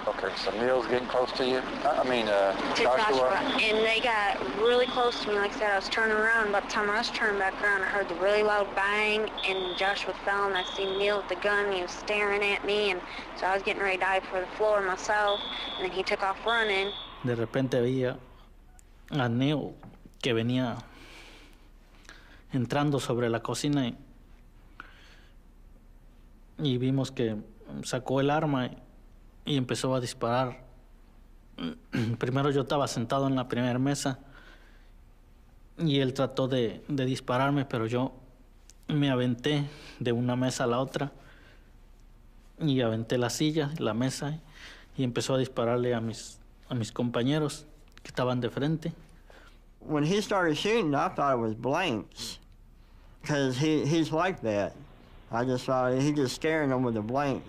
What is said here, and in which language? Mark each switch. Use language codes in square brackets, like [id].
[en] Okay, so Neil's getting close to you? I mean, to Joshua. And they got really close to me. Like I said, I was turning around. By the time I was turning back around, I heard the really loud bang, and Joshua fell, and I seen Neil with the gun. He was staring at me, and so I was getting ready to dive for the floor myself, and then he took off running. [es] De repente veía a Neil que venía entrando sobre la cocina y vimos que sacó el arma y empezó a disparar. Primero yo estaba sentado en la primera mesa y él trató de dispararme, pero yo me aventé de una mesa a la otra y aventé la silla, la mesa, y empezó a dispararle a mis compañeros que estaban de frente. [en] When he started shooting, I thought it was blanks. Because he's like that. I just thought he just scaring them with a blank.